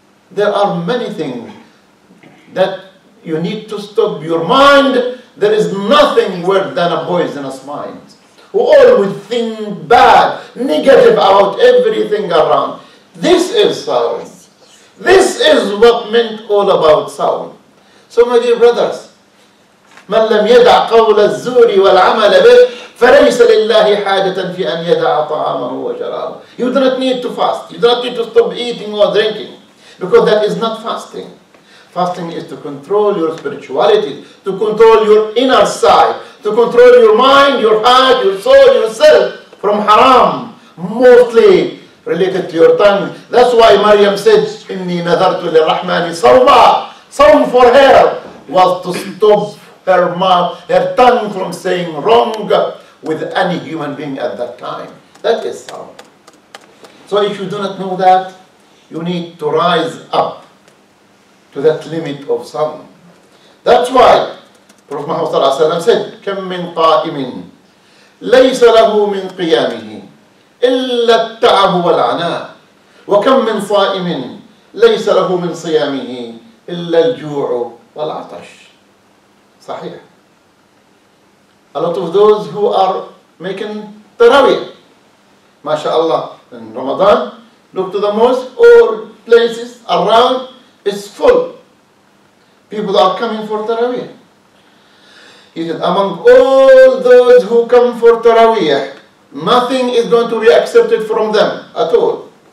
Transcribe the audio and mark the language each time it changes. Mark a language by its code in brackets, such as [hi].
[en] There are many things that you need to stop your mind. There is nothing worse than a poisonous mind who always think bad, negative about everything around. This is sawm. This is what meant all about sawm. So my dear brothers, [ar] من لم يدع قول الزور والعمل به فليس لله حاجة في أن يدع طعامه وشرابه. [en] You do not need to fast. You do not need to stop eating or drinking, because that is not fasting. Fasting is to control your spirituality, to control your inner side, to control your mind, your heart, your soul, yourself from haram, mostly related to your tongue. That's why Maryam said, [ar] إني نذرت للرحمن صوما. [en] صوم for her was to stop her mouth, her tongue from saying wrong with any human being at that time. That is sawm. So if you do not know that, you need to rise up to that limit of sawm. That's why Prophet Muhammad sallallahu alaihi wasallam said, [ar] كم من قائم ليس له من قيامه إلا التعب والعناء وكم من صائم ليس له من صيامه إلا الجوع والعطش. صحيح. [en] A lot of those who are making tarawih, mashallah, in Ramadan, look to the mosque, all places around is full. People are coming for tarawih. He said, among all those who come for tarawih, nothing is going to be accepted from them at all.